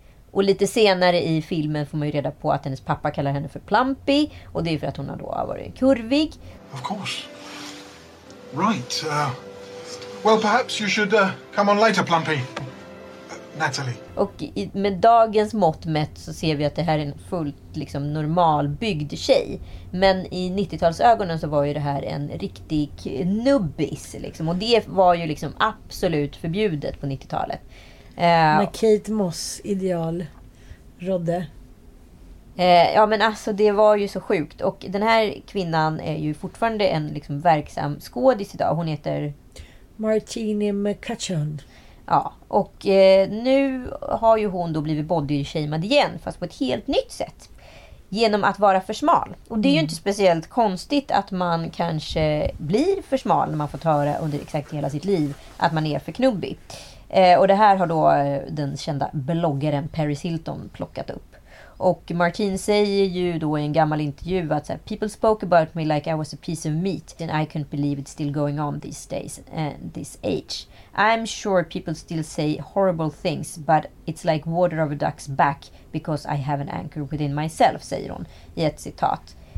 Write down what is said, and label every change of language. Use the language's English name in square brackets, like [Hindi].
[Swedish] Och lite senare i filmen får man ju reda på att hennes pappa kallar henne för plumpy, och det är för att hon har då varit kurvig. [English] Of course. Right. Well, perhaps you should come on later, plumpy. Natalie. [Swedish] Och med dagens mått mätt så ser vi att det här är en fullt liksom normalbyggd tjej. Men i 90-talsögonen så var ju det här en riktig knubbis. Liksom. Och det var ju liksom absolut förbjudet på 90-talet. När Kate Moss ideal rådde. Ja, men alltså det var ju så sjukt. Och den här kvinnan är ju fortfarande en liksom verksam skådis idag. Hon heter Martini McCutcheon. Ja, och nu har ju hon då blivit body-shamed igen, fast på ett helt nytt sätt. Genom att vara för smal. Och det är ju inte speciellt konstigt att man kanske blir för smal när man får höra under exakt hela sitt liv att man är för knubbig. Och det här har då den kända bloggaren Paris Hilton plockat upp. Och Martine säger ju då i en gammal intervju att så här, [English] people spoke about me like I was a piece of meat and I couldn't believe it's still going on these days and this age. I'm sure people still say horrible things, but it's like water of a duck's back because I have an anchor within myself, [Swedish] säger hon i ett citat.